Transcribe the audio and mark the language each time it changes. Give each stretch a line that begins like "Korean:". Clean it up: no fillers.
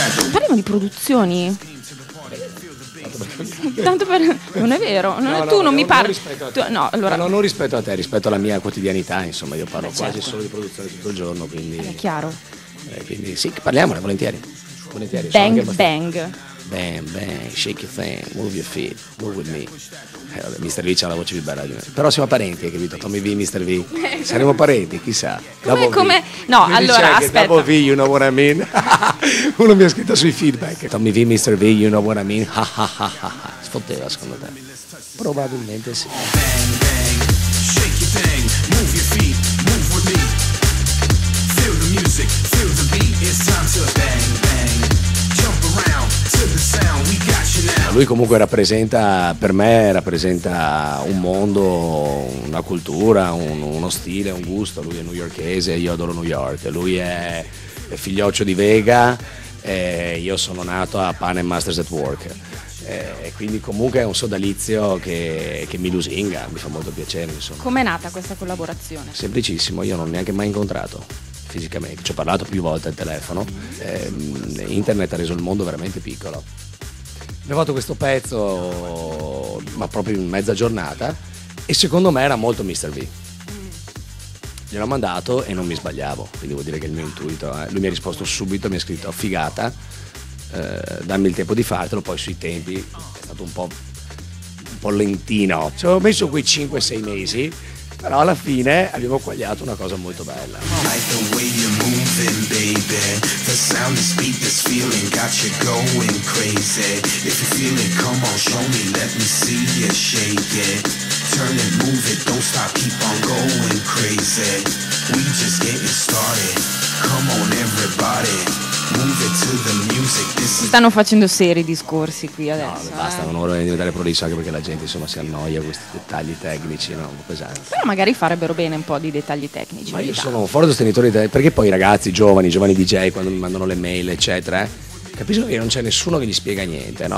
Italian: Parliamo di produzioni. Tanto per non è vero, non no, è... no, tu no, non mi parli. No, allora... no, non rispetto a te, rispetto alla mia quotidianità, insomma, io parlo quasi solo di produzione tutto il giorno, quindi. È chiaro. Quindi sì, parliamone volentieri. Volentieri.
English: Bang bang. Bang bang, shake your thing, move your feet, move with me.
Italian: Vabbè, Mr. V c'ha la voce più bella di me. Però siamo parenti, hai capito? Tommy V, Mr. V. Saremo parenti, chissà. Come? No, mi allora, aspetta.
English: Double V, you know what I mean?
Italian: Uno mi ha scritto sui feedback.
English: Tommy V, Mr. V, you know what I mean?
Italian: Sfotteva, secondo te? Probabilmente sì.
English: Bang, bang, shake your thing, move your feet, move with me. Feel the music, feel the beat, it's time to bang.
Italian: Lui comunque rappresenta, per me rappresenta un mondo, una cultura, uno stile, un gusto. Lui è newyorkese, io adoro New York. Lui è figlioccio di Vega e io sono nato a Pan & Masters at Work. E quindi comunque è un sodalizio che mi lusinga, mi fa molto piacere, insomma. Com'è nata questa collaborazione? Semplicissimo, io non ho neanche mai incontrato fisicamente, ci ho parlato più volte al telefono. Internet ha reso il mondo veramente piccolo. Abbiamo fatto questo pezzo, ma proprio in mezza giornata, e secondo me era molto Mr. V. Gliel'ho mandato e non mi sbagliavo, quindi vuol dire che il mio intuito, lui mi ha risposto subito, mi ha scritto figata, dammi il tempo di fartelo, poi sui tempi è stato un po' lentino. Ci avevo messo quei 5-6 mesi, però alla fine abbiamo quagliato una cosa molto bella.
English: Like the way you're moving, baby. The sound, the speed, this feeling got you going crazy. If you feel it, come on, show me, let me see you shake it. Turn it, move it, don't stop, keep on going crazy. We just getting started. Come on, everybody.
Italian: Stanno facendo seri i discorsi qui adesso. No, basta, non vorrei diventare prolisso anche perché la gente insomma si annoia questi dettagli tecnici, no? Pesanti. Però magari farebbero bene un po' di dettagli tecnici. Ma io sono un forte sostenitore di perché poi i ragazzi, giovani DJ, quando mi mandano le mail, eccetera, capiscono che non c'è nessuno che gli spiega niente, no?